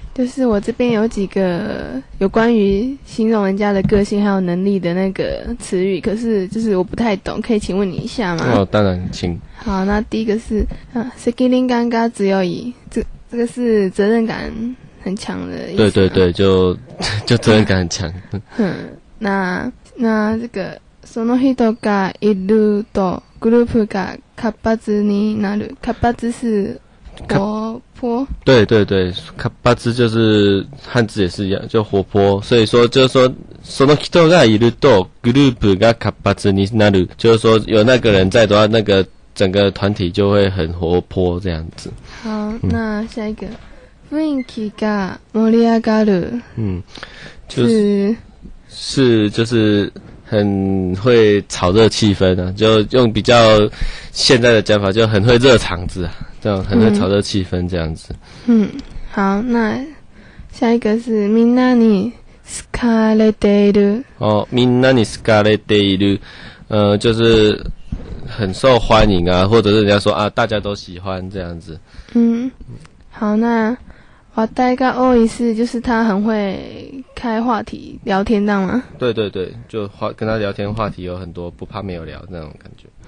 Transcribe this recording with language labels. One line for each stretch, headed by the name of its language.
Chinese: 就是我这边有几个有关于形容人家的个性还有能力的那个词语，可是就是我不太懂，可以请问你一下吗？哦，当然，请。好，那第一个是啊，
Japanese: 責任感が強い，
Chinese: 这个是责任感很强的意思。对对对，就责任感很强。嗯，那这个
Japanese: その人がいるとグループが活発になる。
Chinese: 活発是活泼。对对对，活発就是汉字也是一样，就活泼。所以说就是说
Japanese: その人がいるとグループが活発になる，
Chinese: 就是说有那个人在的话，那个整个团体就会很活泼这样子。好，那下一个，
Japanese: 雰囲気が盛り上がる。
Chinese: 嗯，就是很会炒热气氛啊，就用比较现在的讲法，就很会热场子啊，这样很会炒热气氛这样子。嗯，好，那下一个是
Japanese: みんなに好かれている。
Chinese: 哦，
Japanese: みんなに好かれている，
Chinese: 就是很受欢迎啊，或者是人家说啊，大家都喜欢这样子。嗯，好，那
Japanese: 話題が多いし，
Chinese: 就是他很会开话题聊天，这样吗？对对对，就跟他聊天话题有很多，不怕没有聊那种感觉。